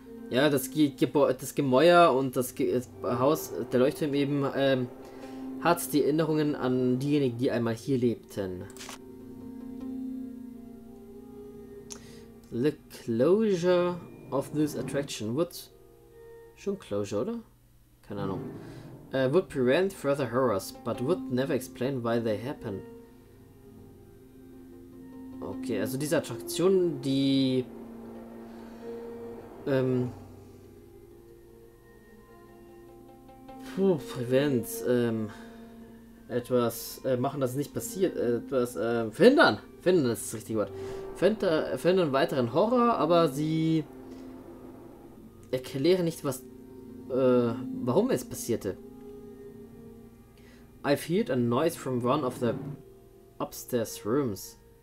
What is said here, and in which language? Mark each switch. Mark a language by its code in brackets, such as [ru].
[de] Das Gemäuer und das Haus, der Leuchtturm eben, hat die Erinnerungen an diejenigen, die einmal hier lebten. [en] The closure of this attraction would... [de] Schon Closure, oder? keine Ahnung, [en] would prevent further horrors, but would never explain why they happen. [de] Okay, also diese Attraktion, die... prevents, etwas machen, dass es nicht passiert, etwas verhindern. Verhindern ist das richtige Wort. Verhindern weiteren Horror, aber sie erklären nicht, was, warum es passierte. [en] I've heard a noise from one of the upstairs rooms.